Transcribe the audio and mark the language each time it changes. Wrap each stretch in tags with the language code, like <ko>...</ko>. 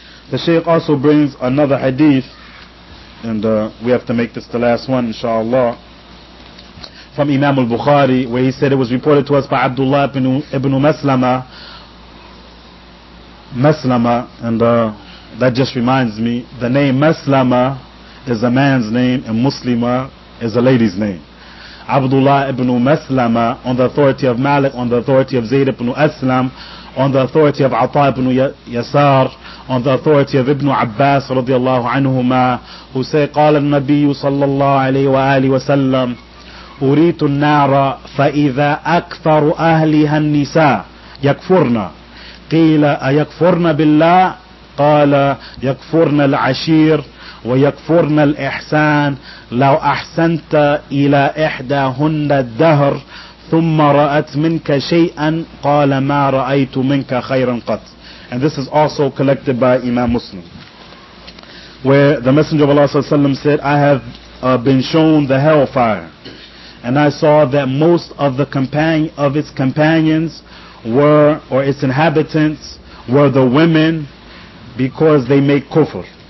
<en>The Shaykh also brings another hadith, and we have to make this the last one, inshallah, from Imam al-Bukhari, where he said it was reported to us by Abdullah ibn Maslama, and that just reminds me, the name Maslama is a man's name, and Muslima is a lady's name. Abdullah ibn Maslama, on the authority of Malik, on the authority of Zayd ibn Aslam, on the authority of Ata ibn Yasar, on the authority of Ibn Abbas radiallahu anhuma, who say,</en> <ar>قال النبي صلى الله عليه وآله وسلم أريت النار فإذا أكثر أهلها النساء يكفرن قيل أيكفرن بالله قال يكفرن العشير ويكفرن الإحسان لو أحسنت إلى إحداهن الدهر ثم رأت منك شيئا قال ما رأيت منك خيرا قط.</ar> <en>And this is also collected by Imam Muslim, where the Messenger of Allah sallallahu alaihi wasallam said, I have been shown the hellfire, and I saw that most of the companions were, or its inhabitants were, the women, because they make kufr.</en>